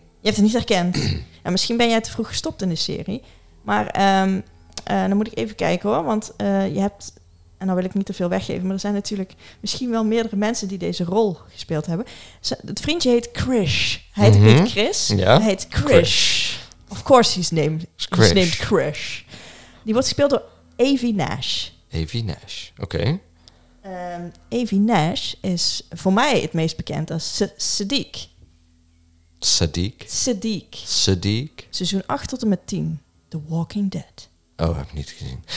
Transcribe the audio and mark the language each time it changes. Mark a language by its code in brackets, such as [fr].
[nl] Je hebt hem niet herkend. Ja, misschien ben jij te vroeg gestopt in de serie. Maar dan moet ik even kijken hoor, want je hebt... En nou wil ik niet te veel weggeven, maar er zijn natuurlijk misschien wel meerdere mensen die deze rol gespeeld hebben. Het vriendje heet Krish. Hij heet niet Chris, hij heet Krish. [en] Of course he's named Krish. [nl] Die wordt gespeeld door Evie Nash. Evie Nash, oké. Evie Nash is voor mij het meest bekend als Sadiq. Sadiq? Sadiq. Sadiq. Seizoen 8 tot en met 10, The Walking Dead. Oh, heb ik niet gezien.